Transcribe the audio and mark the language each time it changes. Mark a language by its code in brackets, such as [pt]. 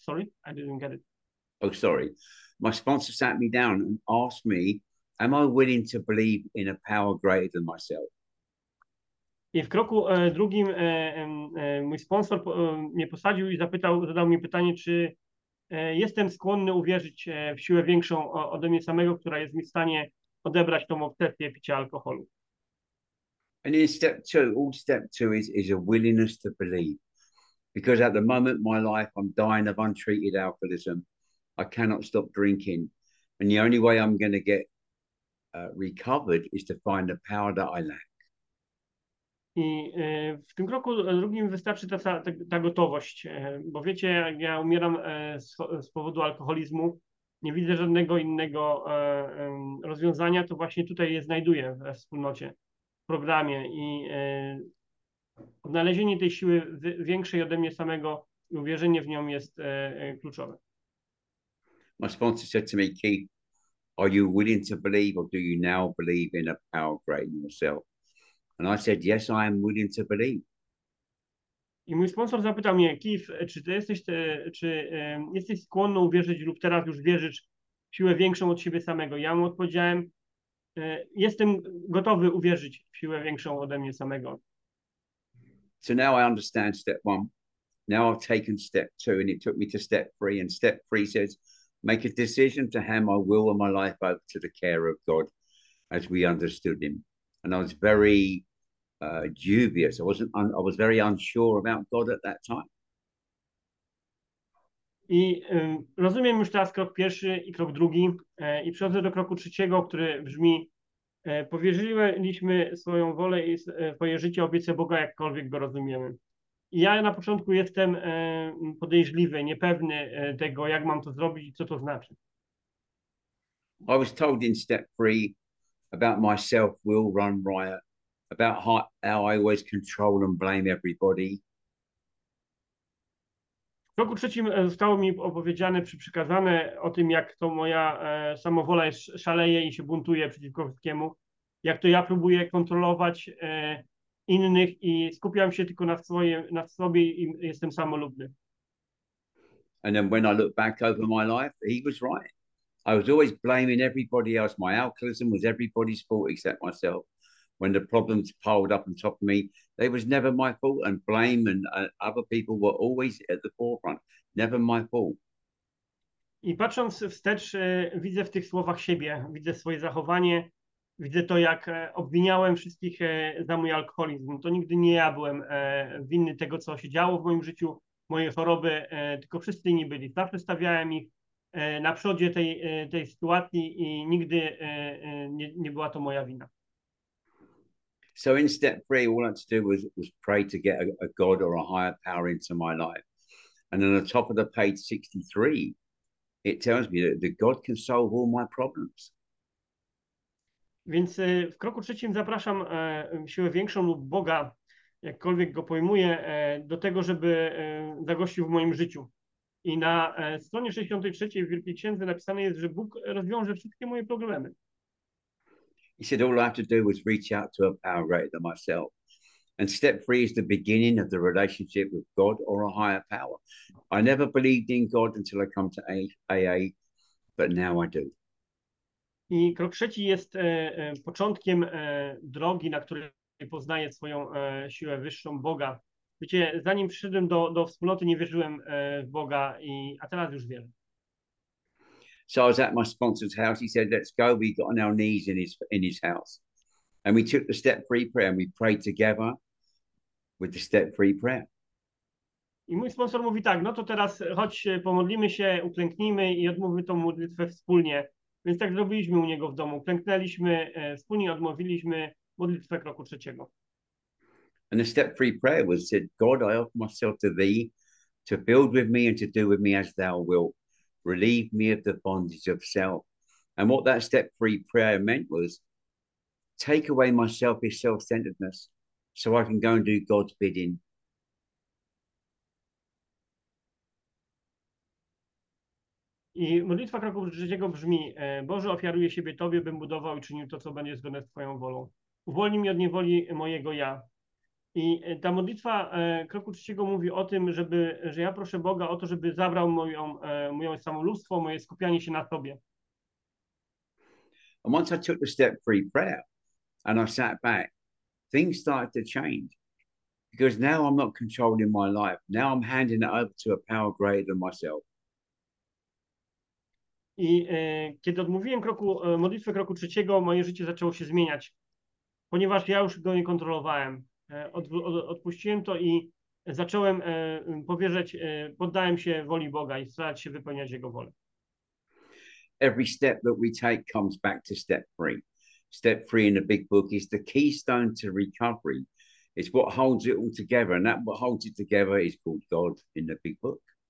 [en] Sorry, I didn't get it. Oh, sorry. My sponsor sat me down and asked me, am I willing to believe in a power greater than myself? [pl] I w kroku drugim mój sponsor mnie posadził i zadał mi pytanie, czy jestem skłonny uwierzyć w siłę większą ode mnie samego, która jest mi w stanie odebrać tą obsesję picia alkoholu. [en] And in step two, all step two is a willingness to believe. Because at the moment my life, I'm dying of untreated alcoholism. I cannot stop drinking. And the only way I'm going to get recovered is to find the power that I lack. [pl] I w tym kroku drugim wystarczy ta gotowość, bo wiecie, jak ja umieram z powodu alkoholizmu, nie widzę żadnego innego rozwiązania, to właśnie tutaj je znajduję we wspólnocie, w programie i odnalezienie tej siły większej ode mnie samego i uwierzenie w nią jest kluczowe. [en] My sponsor said to me, Keith, are you willing to believe or do you now believe in a power greater than yourself? And I said, yes, I am willing to believe. [pl] I mój sponsor zapytał mnie: Keith, czy ty jesteś, jesteś skłonny uwierzyć lub teraz już wierzysz w siłę większą od siebie samego? Ja mu odpowiedziałem: jestem gotowy uwierzyć w siłę większą ode mnie samego. [en] So now I understand step one. Now I've taken step two, and it took me to step three. And step three says, make a decision to hand my will and my life over to the care of God as we understood him. And I was very dubious. I was very unsure about God at that time. [pl] I rozumiem już teraz krok pierwszy i krok drugi i przechodzę do kroku trzeciego, który brzmi: powierzyliśmy swoją wolę i swoje życie obietce Boga, jakkolwiek go rozumiemy. I ja na początku jestem podejrzliwy, niepewny tego, jak mam to zrobić i co to znaczy. [en] I was told in step three about my self-will run riot, about how I always control and blame everybody. [pl] W roku trzecim zostało mi opowiedziane, przykazane o tym, jak to moja samowola jest, szaleje i się buntuje przeciwko wszystkiemu, jak to ja próbuję kontrolować innych i skupiam się tylko na sobie i jestem samolubny. [en] And then when I look back over my life, he was right. I was always blaming everybody else. My alcoholism was everybody's fault except myself. When the problems piled up on top of me, they was never my fault. And blame and other people were always at the forefront. Never my fault. [pl] I patrząc wstecz, widzę w tych słowach siebie, widzę swoje zachowanie, widzę to, jak obwiniałem wszystkich za mój alkoholizm. To nigdy nie ja byłem winny tego, co się działo w moim życiu, mojej choroby, tylko wszyscy inni byli. Zawsze stawiałem ich na przodzie tej sytuacji i nigdy nie była to moja wina. [en] So in step three, all I had to do was pray to get a God or a higher power into my life. And then on the top of the page 63, it tells me that God can solve all my problems. [pl] Więc w kroku trzecim zapraszam siłę większą lub Boga, jakkolwiek go pojmuję, do tego, żeby zagościł w moim życiu. I na stronie 63 w Wielkiej Księdze napisane jest, że Bóg rozwiąże wszystkie moje problemy. [en] He said, all I have to do was reach out to a power greater than myself. And step three is the beginning of the relationship with God or a higher power. I never believed in God until I come to AA, but now I do. [pl] I krok trzeci jest początkiem drogi, na której poznaję swoją siłę wyższą Boga. Wiecie, zanim przyszedłem do wspólnoty, nie wierzyłem w Boga, a teraz już wiem. [en] So I was at my sponsor's house. He said, let's go. We got on our knees in his house. And we took the step three prayer and we prayed together with the step three prayer. [pl] I mój sponsor mówi tak, no to teraz chodź, pomodlimy się, uklęknijmy i odmówmy tą modlitwę wspólnie. Więc tak zrobiliśmy u niego w domu. Klęknęliśmy, wspólnie odmówiliśmy modlitwę kroku trzeciego. [en] And the step three prayer was said, God, I offer myself to thee, to build with me and to do with me as thou wilt. Relieve me of the bondage of self. And what that step three prayer meant was, take away my selfish self-centeredness so I can go and do God's bidding. [pl] I modlitwa kroku trzeciego brzmi: Boże, ofiaruję siebie Tobie, bym budował i czynił to, co będzie zgodne z Twoją wolą. Uwolnij mnie od niewoli mojego ja. I ta modlitwa kroku trzeciego mówi o tym, że ja proszę Boga o to, żeby zabrał moją samolubstwo, moje skupianie się na Tobie. [en] And once I took the step three prayer and I sat back, things started to change. Because now I'm not controlling my life. Now I'm handing it over to a power greater than myself. [pl] I kiedy odmówiłem modlitwę kroku trzeciego, moje życie zaczęło się zmieniać, ponieważ ja już go nie kontrolowałem. Odpuściłem to i zacząłem powierzać, poddałem się woli Boga i starać się wypełniać Jego wolę. [en] Every step that we take comes back to step three. Step three in the big book is the keystone to recovery. It's what holds it all together, and that what holds it together is called God in the big book.